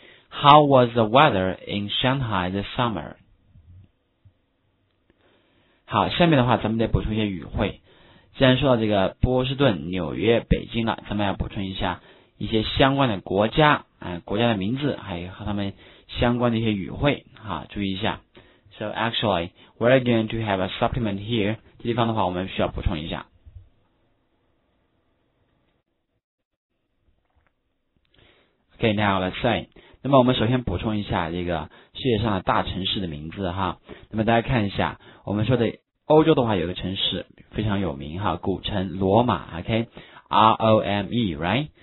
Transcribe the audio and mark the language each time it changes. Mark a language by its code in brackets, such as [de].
[en] How was the weather in Shanghai this summer? [zh] 好，下面的话咱们得补充一些语汇。既然说到这个波士顿、纽约、北京了，咱们要补充一下一些相关的国家，国家的名字，还有和他们相关的一些语汇。好，注意一下。 [en] So actually, we're going to have a supplement here. [zh] 这地方的话，我们需要补充一下。 [en] Okay, now let's say [zh] 那么我们首先补充一下这个世界上的大城市的名字哈。那么大家看一下，我们说的欧洲的话有个城市非常有名哈，古城罗马 ，OK， R-O-M-E， right？